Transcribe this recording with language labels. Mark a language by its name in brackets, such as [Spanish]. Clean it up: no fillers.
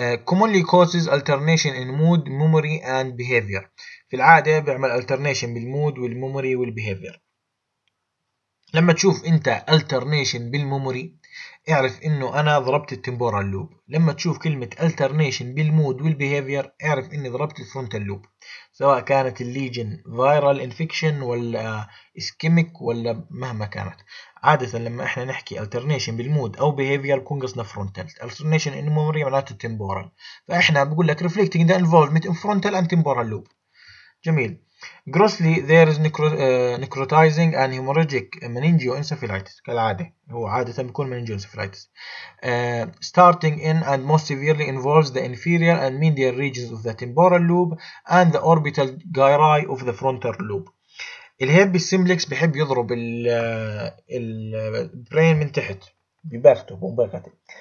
[English] Commonly causes alternation in mood, memory and behavior. [Arabic] في العادة بيعمل alternation بالmood والmemory والbehavior. لما تشوف انت alternation بالmemory اعرف انه انا ضربت التمبورال لوب. لما تشوف كلمة alternation بالmood والbehavior اعرف اني ضربت الفرونتال لوب، سواء كانت الليجن viral infection ولا ischemic ولا مهما كانت. عادة لما احنا نحكي alternation بالمود او behavior بكون قصنا frontal. [English] alternation in memory معناته temporal، [Arabic] فاحنا بقول لك [English] reflecting the involvement in frontal and temporal loop. جميل. grossly there is necrotizing and hemorrhagic meningoencephalitis [Arabic] كالعادة، هو عادة بيكون [English] meningoencephalitis. Starting in and most severely involves the inferior and medial regions of the temporal loop and the orbital gyri of the frontal loop. [Arabic] الهيربي سيمبلكس بحب يضرب البرين من تحت ببغته ومبغته.